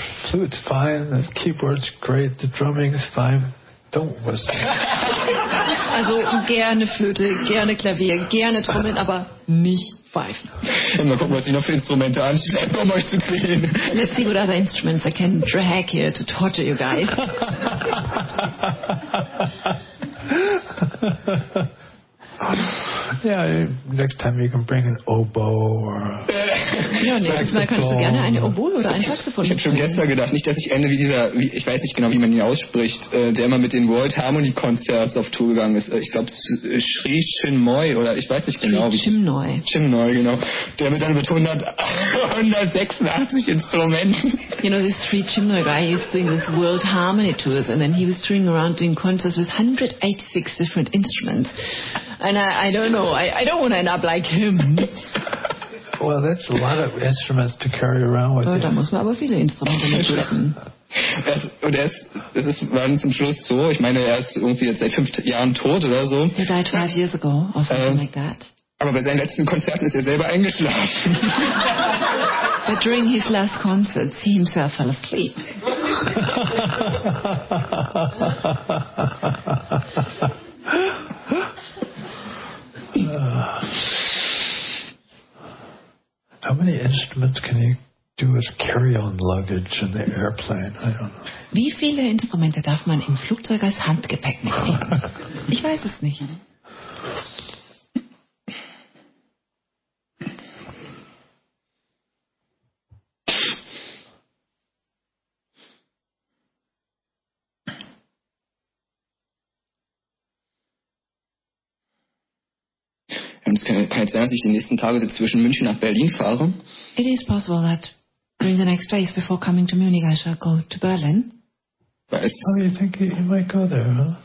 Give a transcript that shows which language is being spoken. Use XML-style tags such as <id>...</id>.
<en>So it's fine, the keyboard's great, the drumming is fine. Don't whistle.</en> <de>Also gerne Flöte, gerne Klavier, gerne Trommeln, aber nicht pfeifen. Ja, mal gucken, was ich noch für Instrumente anschleppe, um euch zu kriegen.</de> <en>Let's see what other instruments I can drag here to torture you guys. Yeah, next time you can bring an oboe or...</en> <de>Ja, nächstes Mal kannst du gerne eine Oboe oder ein Saxophon. Ich habe schon gestern gedacht, nicht, dass ich ende wie dieser, wie, ich weiß nicht genau, wie man ihn ausspricht, der immer mit den World Harmony Concerts auf Tour gegangen ist. Ich glaube, Sri Chinmoy oder ich weiß nicht genau. Sri Chinmoy. Chinmoy, genau. Der mit seinem 186 Instrumenten.</de> <en>You know, this Sri Chinmoy guy used doing this World Harmony Tours and then he was touring around doing concerts with 186 different instruments. And I don't know, I don't want to end up like him. Well, that's a lot of instruments to carry around with you.</en> <de>Da muss man aber viele Instrumente mitschleppen. Und es ist dann zum Schluss so, ich meine, er ist irgendwie jetzt seit 5 Jahren tot oder so.</de> <en>He died 5 years ago or something like that.</en> <de>Aber bei seinen letzten Konzerten ist er selber eingeschlafen.</de> <en>But during his last concerts, he himself fell asleep. How many instruments can you do as carry-on luggage in the airplane? I don't know.</en> <de>Wie viele Instrumente darf man im Flugzeug als Handgepäck mitnehmen? Ich weiß es nicht. Es kann jetzt sein, dass ich die nächsten Tage zwischen München nach Berlin fahre.</de> <en>It is possible that during the next days before coming to Munich I shall go to Berlin. Oh, you think you might go there, huh?</en>